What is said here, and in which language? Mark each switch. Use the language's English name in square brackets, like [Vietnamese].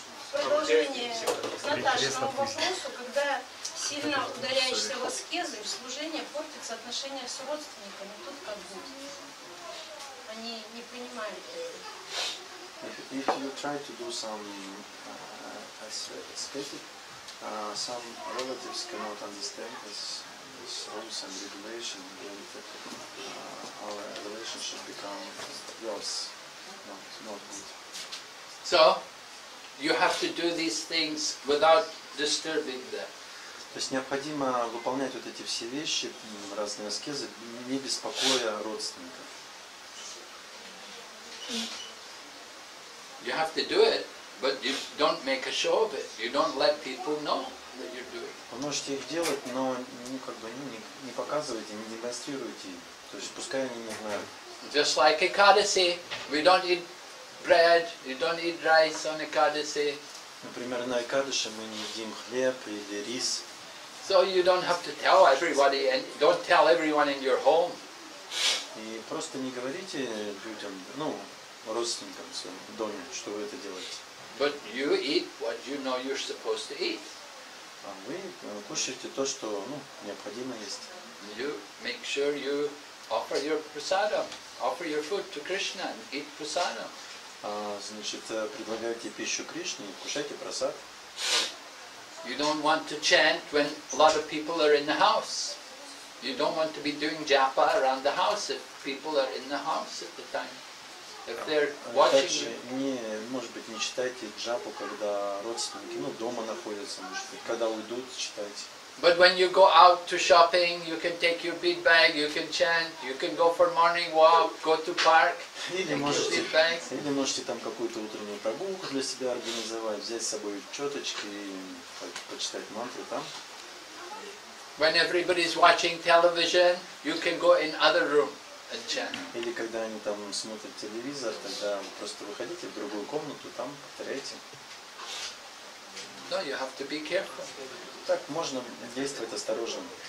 [Russian] Продолжение Наташиного вопроса, когда сильно ударяешься в аскезы, в служение портится отношение с родственниками, тут как будет. Они не понимают этого. [English] If you try to do some ascetic, some relatives cannot understand this rules and regulation, and our relationship becomes yours. Not good. So, you have to do these things without disturbing them. [Russian] То есть необходимо выполнять вот эти все вещи, разные аскезы, не беспокоя родственников. [English] You have to do it, but you don't make a show of it. You don't let people know that you're doing it. [Russian] Вы можете их делать, но не показывайте, не демонстрируйте. То есть пускай они не знают. [English] Just like Ekadasi, we don't eat bread, you don't eat rice on Ekadasi. [Russian] Например, на Экадаше мы не едим хлеб или рис. [English] So you don't have to tell everybody, and don't tell everyone in your home. [Russian] И просто не говорите людям, родственникам в своем доме, что вы это делаете. [English] But you eat what you know you're supposed to eat. [Russian] А вы кушаете то, что необходимо есть. [English] You make sure you offer your prasadam. Offer your food to Krishna and eat prasadam. [Russian] Значит, предлагайте пищу Кришне и кушайте прасад. [English] You don't want to chant when a lot of people are in the house. You don't want to be doing japa around the house if people are in the house at the time. If they're watching you. [Russian] Может быть, не читайте джапу, когда родственники дома находятся. Может быть, когда уйдут, читайте. [English] But when you go out to shopping, you can take your bead bag, you can chant, you can go for morning walk, go to park, [Russian] или можете там какую-то утреннюю прогулку для себя организовать, взять с собой чёточки и почитать мантру там. [English] When everybody is watching television, you can go in other room and chant. [Russian] Или когда они там смотрят телевизор, тогда просто выходите в другую комнату, там повторяйте. [English] No, you have to be careful. [Russian] Так можно действовать осторожно.